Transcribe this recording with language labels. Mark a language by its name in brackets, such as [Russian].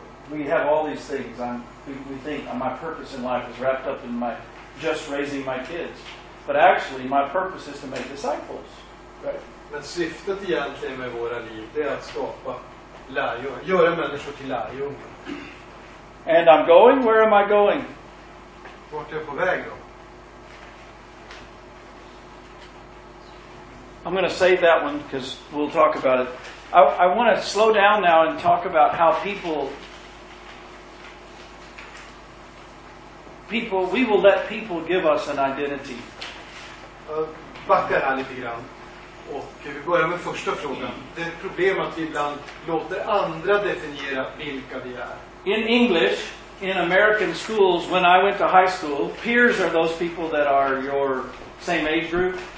[English] We have all these things. We think my purpose in life is wrapped up in my just raising my kids. But actually, my purpose is to make disciples. Right? [Swedish] Men syftet egentligen med våra liv, det är att skapa lärjungar, göra människor till lärjungar. [English] And I'm going, where am I going? [Swedish] Vart är jag på väg då? [English] I'm going to save that one because we'll talk about it. I want to slow down now and talk about how people we will let people give us an identity. [Swedish] Backa här lite grann. Och vi börjar med första frågan. Det är ett problem att vi ibland låter andra definiera vilka vi är. [English] In English, in American schools, when I went to high school, peers are those people that are your same age group.